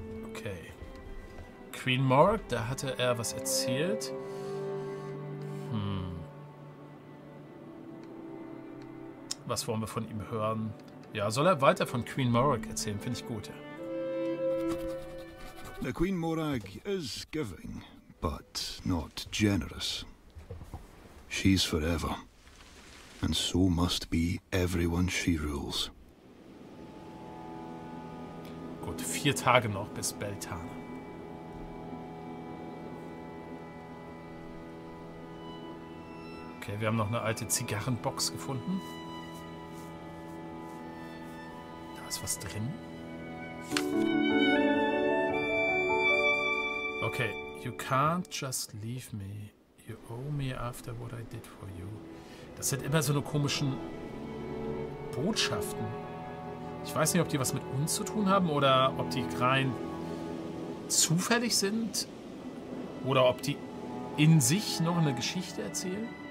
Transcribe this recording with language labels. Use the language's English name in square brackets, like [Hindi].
[German] Okay. Queen Morg, da hatte er was erzählt. Was wollen wir von ihm hören? Ja, soll er weiter von Queen Morg erzählen? Finde ich gut, ja. [English] The Queen Morag is giving, but not generous. She's forever, and so must be everyone she rules. [German] Gut, 4 Tage noch bis Beltane. Okay. Okay, wir haben noch eine alte Zigarrenbox gefunden. Da ist was drin. [English] Okay, you can't just leave me. You owe me after what I did for you. [German] Das sind immer so eine komischen Botschaften. Ich weiß nicht, ob die was mit uns zu tun haben oder ob die rein zufällig sind oder ob die in sich noch eine Geschichte erzählen.